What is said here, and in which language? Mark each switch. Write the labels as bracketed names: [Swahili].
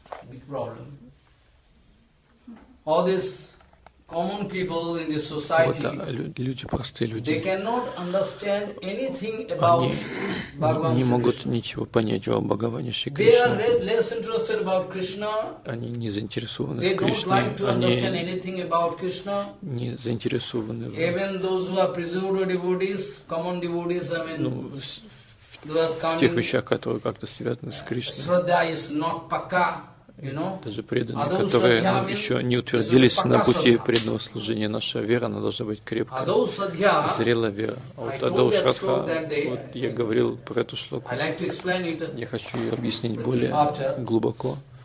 [English] Big problem. All these common people in this society, [Russian] вот, люди, простые люди, [English] they cannot understand anything about Bhagavan Sri Krishna. [Russian] Они не могут ничего понять о Бхагаване Шри [English] Кришне. They are less interested about Krishna. [Russian] Они не заинтересованы в Кришне. [English] They don't like to understand anything about Krishna. [Russian] Не заинтересованы. [English] Even those who are preserved devotees, common devotees, I mean. [Russian] В тех вещах, которые как-то связаны с Кришной. Даже преданные, которые еще не утвердились на пути преданного служения, наша вера, она должна быть крепкая, зрелая вера. А вот Адау Шрадха, вот я говорил про эту шлоку, я хочу ее объяснить более глубоко.